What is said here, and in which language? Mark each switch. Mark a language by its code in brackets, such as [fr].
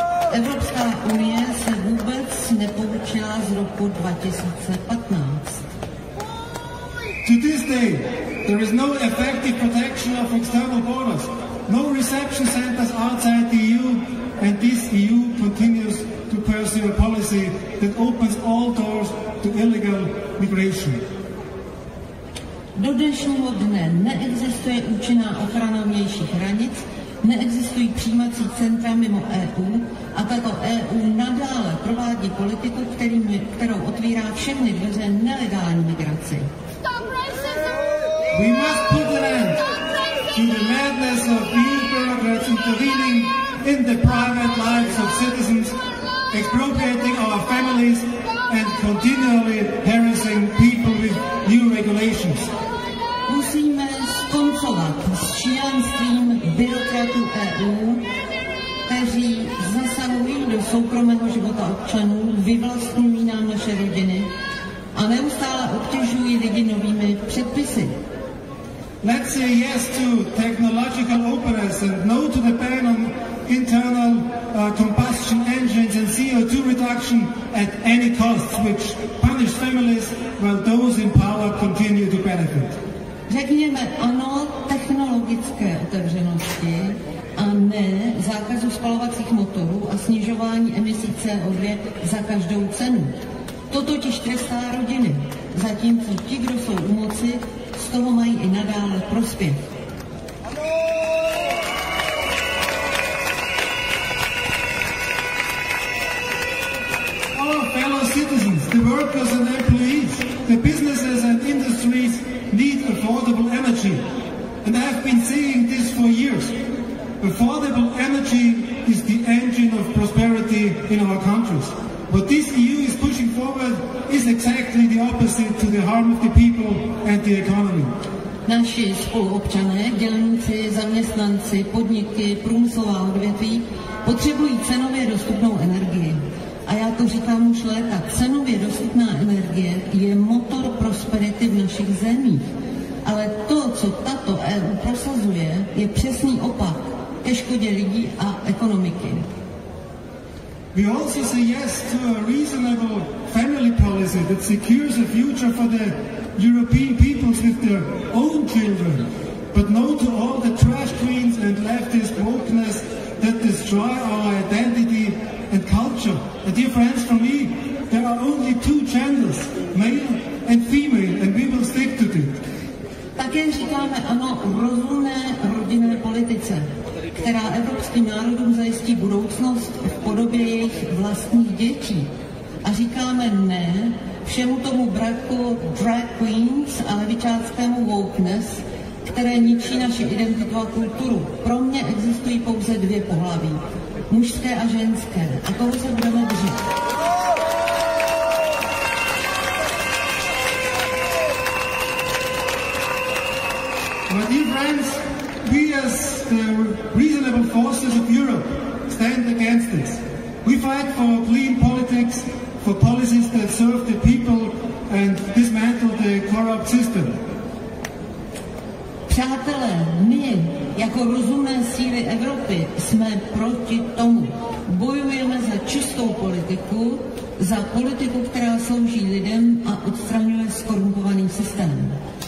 [cs] Evropská unie se vůbec nepoučila z roku 2015. [en] To this day, there is no effective protection of external borders, no reception centers outside the EU, and this EU continues to pursue a policy that opens all doors to illegal migration. [cs] Do dnešního dne neexistuje účinná ochrana vnějších hranic, neexistují přijímací centra mimo EU a tato EU nadále provádí politiku, kterou otvírá všechny dveře nelegální migraci. [en] We must put an end to the madness of EU bureaucrats intervening in the private lives of citizens, expropriating our families and continually harassing people with new regulations. [cs] Musíme skoncovat s šílenstvím byrokratů EU, kteří zasahují do soukromého života občanů, vyvlastňují nám naše rodiny a neustále obtěžují lidi novými předpisy. [en] Let's say yes to technological openness and no to the ban on internal combustion engines and CO2 reduction at any cost, which punish families while those in power continue to benefit. [cs] Řekněme ano technologické otevřenosti a ne zákazu spalovacích motorů a snižování emisí CO2 za každou cenu. To totiž trestá rodiny, zatímco ti, kdo jsou u moci, z toho mají i nadále prospěch. [en] Our fellow citizens, the workers and employees, the businesses and industries need affordable energy. And I have been saying this for years. Affordable energy is the engine of prosperity in our countries. What this EU is pushing forward is exactly the opposite to the harm of the people and the economy. [cs] Naši spoluobčané, dělníci, zaměstnanci, podniky, průmyslová odvětví potřebují cenově dostupnou energii. A já to říkám už léta, cenově dostupná energie je motor prosperity v našich zemích. Ale to, co tato EU prosazuje, je přesný opak ke škodě lidí a ekonomiky. [en] We also say yes to a reasonable family policy that secures a future for the European peoples with their own children. But no to all the trash queens and leftist wokeness that destroy our identity and culture. And dear friends, for me, there are only two genders, male and female, and we will stick to it. [cs] Také říkáme ano rozumné rodinné politice, která evropským národům zajistí budoucnost v podobě jejich vlastních dětí. A říkáme ne všemu tomu braku drag queens a levičáckému wokeness, které ničí naši identitu a kulturu. Pro mě existují pouze dvě pohlaví, mužské a ženské, a toho se budeme držet. [en] My dear friends, we as the reasonable forces of Europe stand against this. We fight for clean politics, for policies that serve the people and dismantle the corrupt system. [cs] Přátelé, my jako rozumné síly Evropy jsme proti tomu. Bojujeme za čistou politiku, za politiku, která slouží lidem a odstraňuje skorumpovaný systém.